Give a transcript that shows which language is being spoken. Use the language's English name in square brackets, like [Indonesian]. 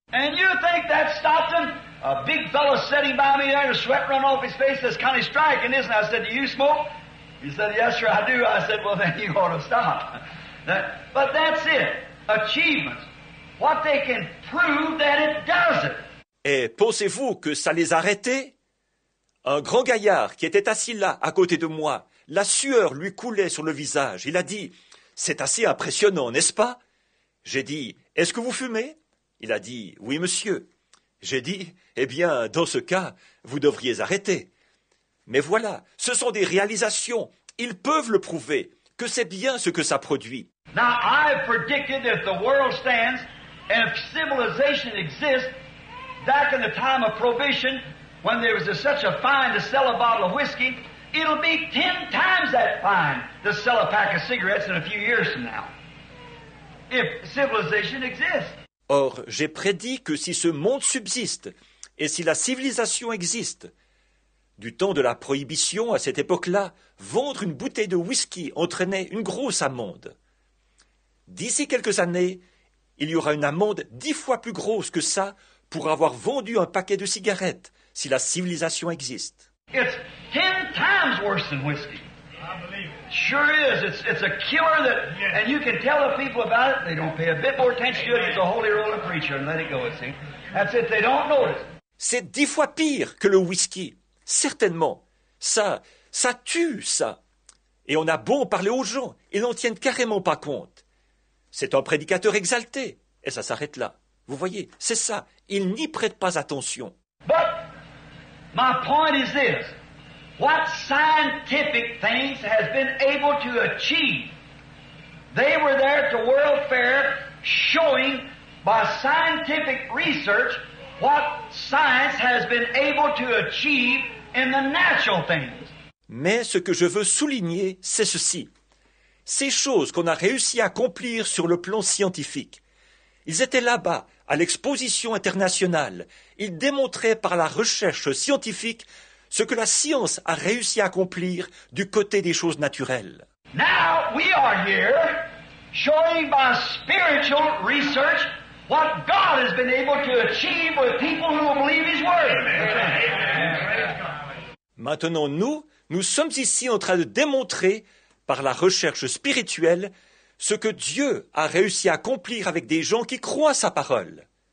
[English] And you think that stopped him? A big fellow sitting by me there, and the sweat running off his face, says, "Connie, striking, isn't it?" I said, "Do you smoke?" He said, "Yes, sir, I do." I said, "Well, then you ought to stop." But that's it. Achievements. What they can prove that it does it. [French] Et pensez-vous que ça les a arrêtés? Un grand gaillard qui était assis là, à côté de moi, la sueur lui coulait sur le visage. Il a dit, « C'est assez impressionnant, n'est-ce pas ?» J'ai dit, « Est-ce que vous fumez ?» Il a dit, « Oui, monsieur. » J'ai dit, « Eh bien, dans ce cas, vous devriez arrêter. » Mais voilà, ce sont des réalisations. Ils peuvent le prouver, que c'est bien ce que ça produit. [English] Now, I've predicted if the world stands, and if civilization exists, back in the time of prohibition, when there was such a fine to sell a bottle of whiskey, it'll be 10 times that fine to sell a pack of cigarettes in a few years from now, if civilization exists. [French] Or, j'ai prédit que si ce monde subsiste, et si la civilisation existe, du temps de la prohibition à cette époque-là, vendre une bouteille de whisky entraînait une grosse amende. D'ici quelques années, il y aura une amende 10 fois plus grosse que ça pour avoir vendu un paquet de cigarettes, si la civilisation existe. [English] It's 10 times worse than whiskey. I believe it. Sure is. It's a killer that, yes. And you can tell the people about it, they don't pay a bit more attention to it. It's a holy roller preacher and let it go, it seems. That's it, they don't notice. [French] C'est 10 fois pire que le whisky, certainement. Ça tue, ça. Et on a beau en parler aux gens, ils n'en tiennent carrément pas compte. C'est un prédicateur exalté, et ça s'arrête là. Vous voyez, c'est ça, ils n'y prêtent pas attention. [English] But my point is this, what scientific things has been able to achieve? They were there at the World Fair showing by scientific research what science has been able to achieve in the natural things. [French] Mais ce que je veux souligner, c'est ceci. Ces choses qu'on a réussi à accomplir sur le plan scientifique. Ils étaient là-bas, à l'exposition internationale. Ils démontraient par la recherche scientifique ce que la science a réussi à accomplir du côté des choses naturelles. [English] Now we are here showing by spiritual research what God has been able to achieve with people who believe his word. [French] Maintenant nous sommes ici en train de démontrer par la recherche spirituelle ce que Dieu a réussi à accomplir avec des gens qui croient sa parole.